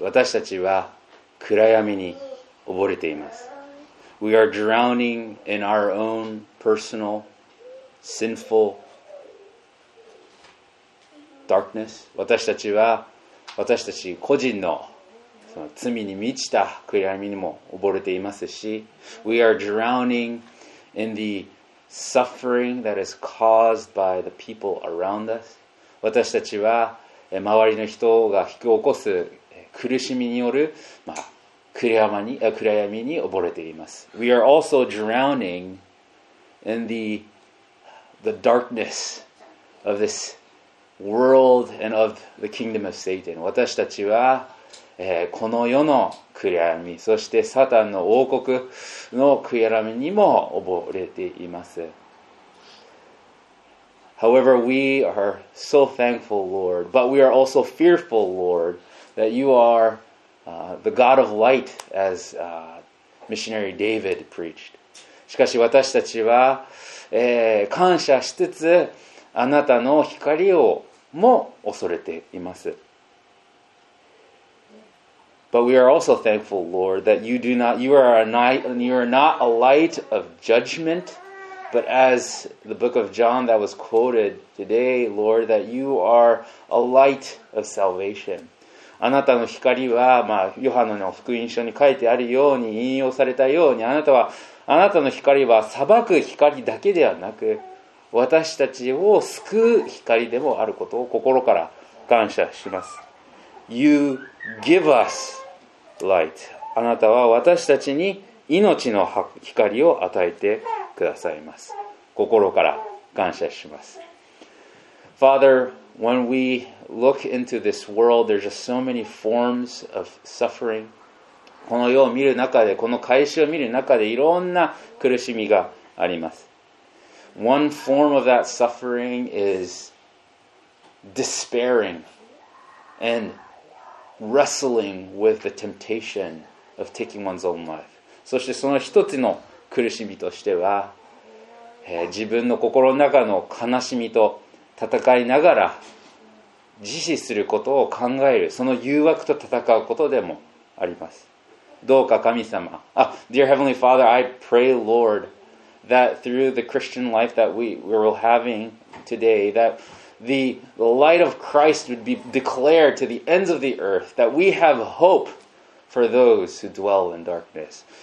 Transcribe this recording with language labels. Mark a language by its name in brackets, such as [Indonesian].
[Japanese] 私たちは暗闇に溺れています。 [English] We are drowning in our own personal sinful darkness. [Japanese] 私たちは私たち個人の、その罪に満ちた暗闇にも溺れていますし、 [English] We are drowning in the suffering that is caused by the people around us. [Japanese] 私たちは周りの人が引き起こす苦しみによる、暗闇に溺れています。 [English] We are also drowning in the darkness of this world and of the kingdom of Satan. [Japanese] 私たちは、この世の暗闇、そしてサタンの王国の暗闇にも溺れています。 [English] However, we are so thankful, Lord, but we are also fearful, Lord, that you are the God of light, as missionary David preached. [Japanese] しかし私たちは、感謝しつつあなたの光をも恐れています。 [English] But we are also thankful, Lord, that you do not, you are a night, you are not a light of judgment, but as the book of John that was quoted today, Lord, that you are a light of salvation. [Japanese] あなたの光は、まあ、ヨハネの福音書に書いてあるように引用されたように、あなたの光は裁く光だけではなく、私たちを救う光でもあることを心から感謝します。 [English] You give us light. [Japanese] あなたは私たちに命の光を与えてくださいます。心から感謝します。 [English] Father, when we look into this world, there's just so many forms of suffering. [Japanese] この世を見る中で、この会社を見る中で、いろんな苦しみがあります。 [English] One form of that suffering is despairing and wrestling with the temptation of taking one's own life. [Japanese] そしてその一つの苦しみとしては、自分の心の中の悲しみと戦いながら自死することを考える、その誘惑と戦うことでもあります。どうか神様、 [English] Dear Heavenly Father, I pray, Lord,that through the Christian life that we were having today, that the light of Christ would be declared to the ends of the earth, that we have hope for those who dwell in darkness.